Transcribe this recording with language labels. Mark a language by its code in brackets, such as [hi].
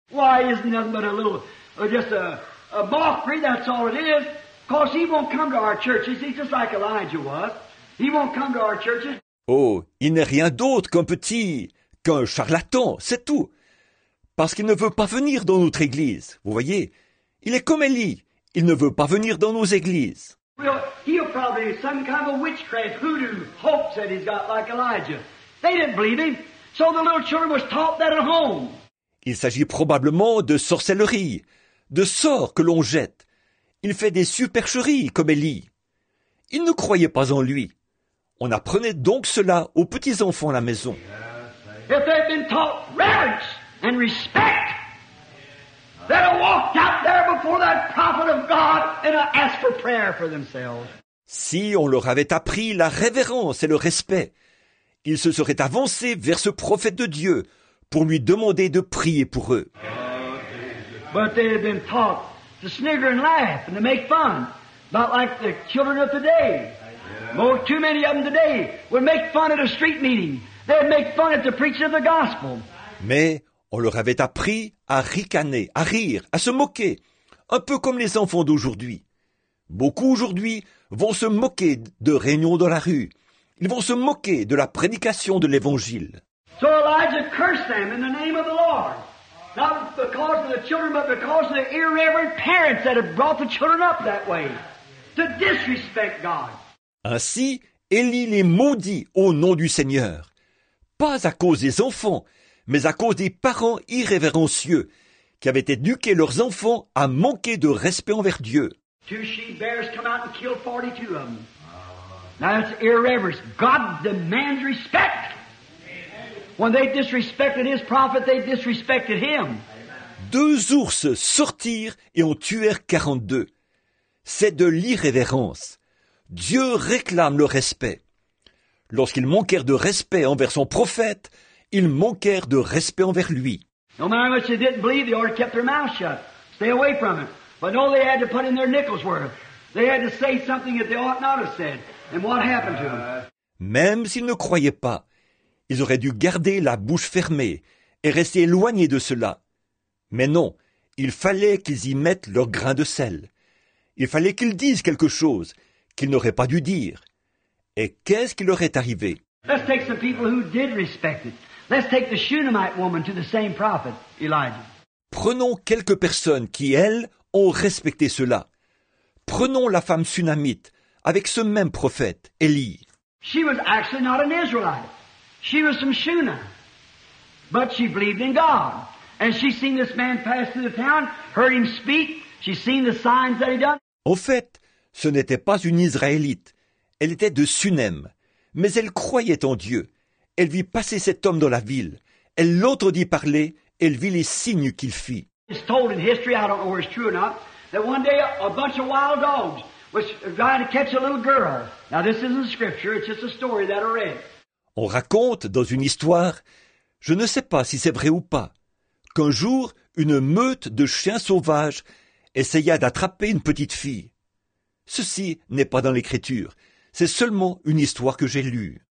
[en] Why, it isn't nothing but a little, just a mockery, that's all it is. Because he won't come to our churches. He's just like Elijah was. He won't come to our churches. [fr] Oh, il n'est rien d'autre qu'un petit, qu'un charlatan, c'est tout. Parce qu'il ne veut pas venir dans notre église, vous voyez. Il est comme Élie. Il ne veut pas venir dans nos églises. [en] Well, he'll probably be some kind of witchcraft, hoodoo, hopes that he's got like Elijah. They didn't believe him. So the little children was taught that at home. [fr] Il s'agit probablement de sorcellerie, de sorts que l'on jette. Il fait des supercheries comme Élie. Il ne croyait pas en lui. On apprenait donc cela aux petits-enfants à la maison. [en] If they'd been taught reverence and respect, they'd have walked out there before that prophet of God and asked for prayer for themselves. [fr] Si on leur avait appris la révérence et le respect, ils se seraient avancés vers ce prophète de Dieu pour lui demander de prier pour eux. [en] But they had been taught to snigger and laugh and to make fun, not like the children of today. More, too many of them today would make fun at a street meeting. They'd make fun at the preaching of the gospel. [fr] Mais on leur avait appris à ricaner, à rire, à se moquer, un peu comme les enfants d'aujourd'hui. Beaucoup aujourd'hui vont se moquer de réunions dans la rue. Ils vont se moquer de la prédication de l'évangile. [en] So Elijah cursed them in the name of the Lord. Not because of the children, but because of the irreverent parents that have brought the children up that way. To disrespect God. [fr] Ainsi, Élie les maudit au nom du Seigneur. Pas à cause des enfants, mais à cause des parents irrévérencieux qui avaient éduqué leurs enfants à manquer de respect envers Dieu. [en] Two she-bears come out and kill 42 of them. Now that's irreverence. God demands respect. When they disrespected his prophet, they disrespected him. [fr] Deux ours sortirent et en tuèrent 42. C'est de l'irrévérence. Dieu réclame le respect. Lorsqu'ils manquèrent de respect envers son prophète, ils manquèrent de respect envers lui. [en] No matter what they didn't believe, they ought to keep their mouth shut. Stay away from it. But no, they had to put in their nickels worth. They had to say something that they ought not have said. And what happened to them? [fr] Même s'ils ne croyaient pas, ils auraient dû garder la bouche fermée et rester éloignés de cela. Mais non, il fallait qu'ils y mettent leur grain de sel. Il fallait qu'ils disent quelque chose qu'ils n'auraient pas dû dire. Et qu'est-ce qui leur est arrivé? [en] Let's take some people who did respect it. Let's take the Shunammite woman to the same prophet, Elijah. [fr] Prenons quelques personnes qui, elles, ont respecté cela. Prenons la femme Shunammite avec ce même prophète, Élie. [en] She was actually not an Israelite. She was from Shuna, but she believed in God. And she seen this man pass through the town, heard him speak, she seen the signs that he done. [fr] Au fait, ce n'était pas une Israélite. Elle était de Shunem. Mais elle croyait en Dieu. Elle vit passer cet homme dans la ville. Elle l'entendit parler, elle vit les signes qu'il fit. [en] It's told in history, I don't know if it's true or not, that one day a bunch of wild dogs was trying to catch a little girl. Now this isn't scripture, it's just a story that I read. [fr] On raconte dans une histoire, je ne sais pas si c'est vrai ou pas, qu'un jour, une meute de chiens sauvages essaya d'attraper une petite fille. Ceci n'est pas dans l'Écriture, c'est seulement une histoire que j'ai lue.